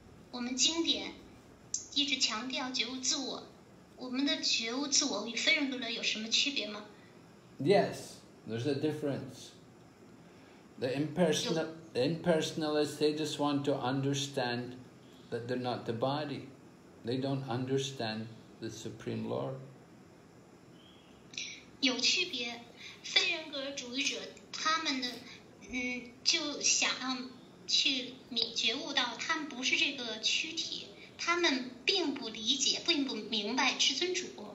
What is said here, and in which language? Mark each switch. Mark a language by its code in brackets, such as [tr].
[zh] 我们经典一直强调觉悟自我，我们的觉悟自我与非人格有什么区别吗 [en] ？Yes, there's a difference. The impersonalists, they just want to understand that they're not the body. They don't understand the Supreme Lord. [zh] 有区别，非人格主义者他们的就想要去觉悟到他们不是这个躯体，他们并不理解，并不明白至尊主。